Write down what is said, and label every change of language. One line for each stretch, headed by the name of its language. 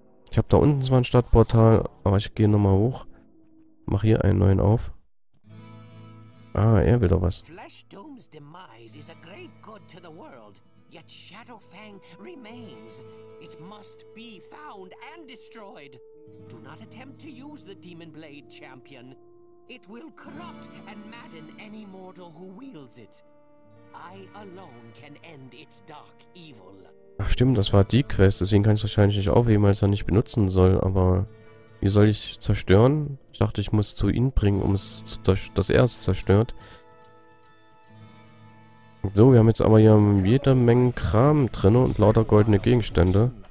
German: Ich habe da unten zwar ein Stadtportal, aber ich gehe nochmal hoch. Mach hier einen neuen auf. Ah, er will doch was.
English: Flesh-Dome's demise is a great good to the world. Yet Shadowfang remains. It must be found and destroyed. Do not attempt to use the Demon Blade, Champion. It will corrupt and madden any mortal who wields it. I alone can end its dark evil.
German: Ach stimmt, das war die Quest, deswegen kann ich es wahrscheinlich nicht aufheben, weil ich es nicht benutzen soll, aber wie soll ich zerstören? Ich dachte, ich muss es zu ihnen bringen, um es zu dass er es zerstört. So, wir haben jetzt aber hier jede Menge Kram drin und lauter goldene Gegenstände.